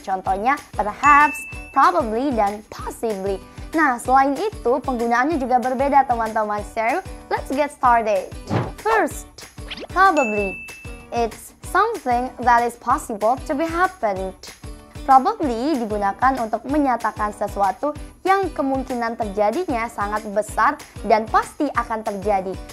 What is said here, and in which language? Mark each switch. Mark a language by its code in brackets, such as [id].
[id] Contohnya perhaps, probably, dan possibly. Nah, selain itu, penggunaannya juga berbeda, teman-teman. [en] So, let's get started. First, probably. It's something that is possible to be happened. [id] Probably digunakan untuk menyatakan sesuatu yang kemungkinan terjadinya sangat besar dan pasti akan terjadi.